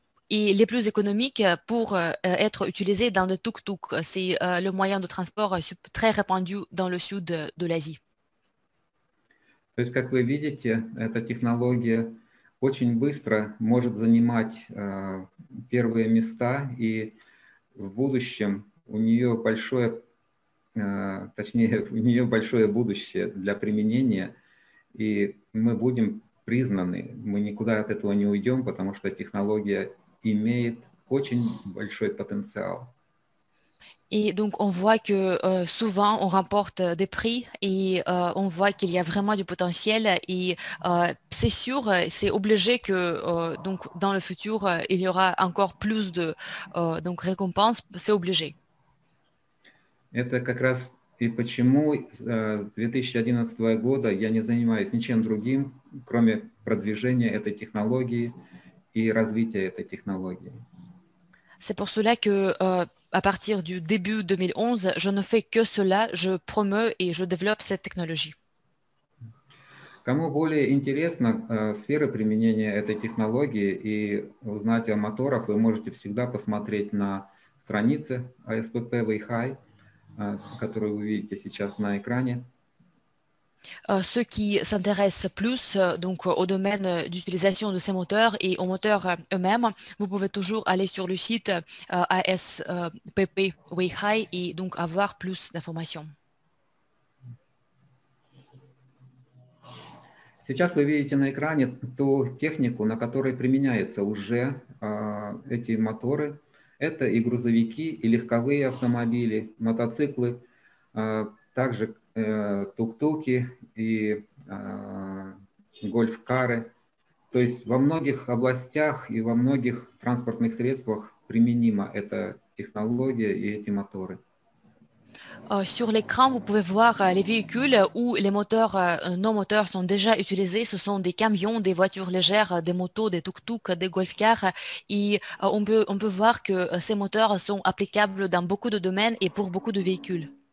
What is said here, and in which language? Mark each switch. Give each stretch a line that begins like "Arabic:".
French: Et les plus économiques pour être utilisés dans le tuk-tuk. C'est le moyen de transport très répandu dans le sud de l'Asie.
Russian: То есть, как вы видите, эта технология очень быстро может занимать первые места, и в будущем у нее большое будущее для применения, и мы будем признаны, мы никуда от этого не уйдем, потому что технология имеет очень большой потенциал.
French: Et donc, on voit que souvent, on remporte des prix et on voit qu'il y a vraiment du potentiel. Et c'est sûr, c'est obligé que donc, dans le futur, il y aura encore plus de donc, récompenses. C'est obligé.
Russian: Это как раз и почему с 2011 года я не занимаюсь ничем другим, кроме продвижения этой технологии и развития этой технологии.
French: C'est pour cela que... À partir du début 2011, je ne fais que cela, je promeus et je développe cette technologie.
Russian: Кому более интересно сфера применения этой технологии и узнать о моторах, вы можете всегда посмотреть на страницы АСПП Вэйхай, которую вы видите сейчас на экране.
French: Ceux qui s'intéressent plus donc, au domaine d'utilisation de ces moteurs et aux moteurs eux-mêmes, vous pouvez toujours aller sur le site ASPP Weihai et donc avoir plus d'informations.
Russian: Сейчас вы видите на экране ту технику, на которой применяются уже эти моторы. Это и грузовики, и легковые автомобили, мотоциклы, также тук-туки и гольф-кары. То есть во многих областях и во многих транспортных средствах применима эта технология и эти моторы.
French: Sur l'écran, vous pouvez voir les véhicules où les moteurs, nos moteurs sont déjà utilisés. Ce sont des camions, des voitures légères, des motos, des tuk-tuk, des golf-cars. Et on peut voir que ces moteurs sont applicables dans beaucoup de domaines et pour beaucoup de véhicules.